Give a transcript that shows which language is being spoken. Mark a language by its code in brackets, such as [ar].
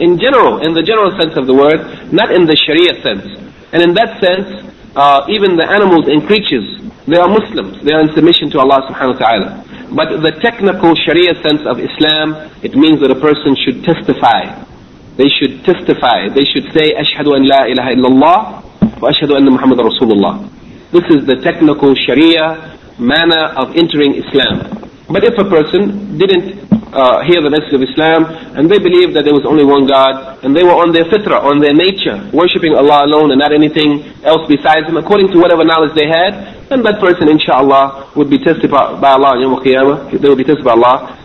[en] In general, in the general sense of the word, not in the Sharia sense. And in that sense, even the animals and creatures, they are Muslims. They are in submission to Allah subhanahu wa ta'ala. But the technical Sharia sense of Islam, it means that a person should testify. They should testify. They should say, [ar] أشهد أن لا إله إلا الله وأشهد أن محمد رسول الله. [en] This is the technical Sharia manner of entering Islam. But if a person didn't hear the message of Islam, and they believed that there was only one God, and they were on their fitrah, on their nature, worshipping Allah alone and not anything else besides Him, according to whatever knowledge they had, then that person, inshallah, would be tested by Allah on Yawm al-Qiyamah. They would be tested by Allah.